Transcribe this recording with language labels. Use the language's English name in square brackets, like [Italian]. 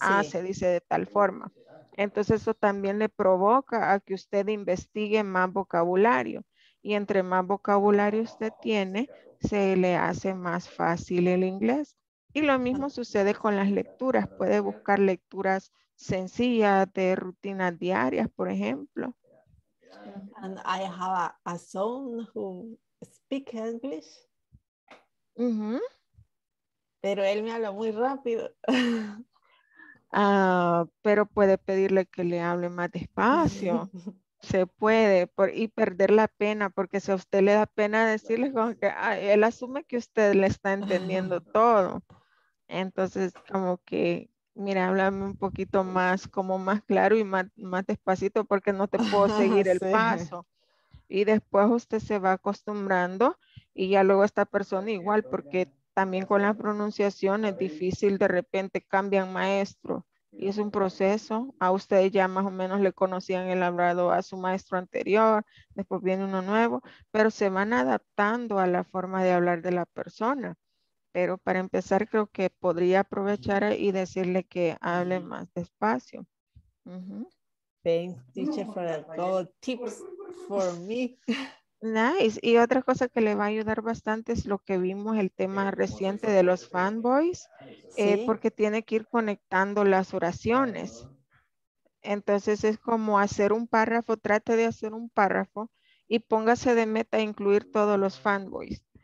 [Spanish] Ah, se dice de tal forma. Entonces eso también le provoca a que usted investigue más vocabulario. Y entre más vocabulario usted tiene, se le hace más fácil el inglés. Y lo mismo sucede con las lecturas. Puede buscar lecturas sencillas de rutinas diarias, por ejemplo. [English] And I have a son who speaks English. Mm-hmm. [Spanish] Pero él me habla muy rápido. Pero puede pedirle que le hable más despacio. Se puede, y perder la pena, porque si a usted le da pena decirle, como que ay, él asume que usted le está entendiendo todo. Entonces, como que, mira, háblame un poquito más, como más claro y más despacito, porque no te puedo seguir el sí. paso. Y después usted se va acostumbrando, y ya luego esta persona igual, porque también con la pronunciación es difícil, de repente cambian maestro. Y es un proceso, a ustedes ya más o menos le conocían el hablado a su maestro anterior, después viene uno nuevo, pero se van adaptando a la forma de hablar de la persona. Pero para empezar creo que podría aprovechar y decirle que hable más despacio. Uh-huh. [English] Thanks, teacher, for the good tips for me. [Spanish] Nice, y otra cosa que le va a ayudar bastante es lo que vimos, el tema reciente de los fanboys, ¿sí? Porque tiene que ir conectando las oraciones. Entonces es como hacer un párrafo, trate de hacer un párrafo y póngase de meta incluir todos los fanboys.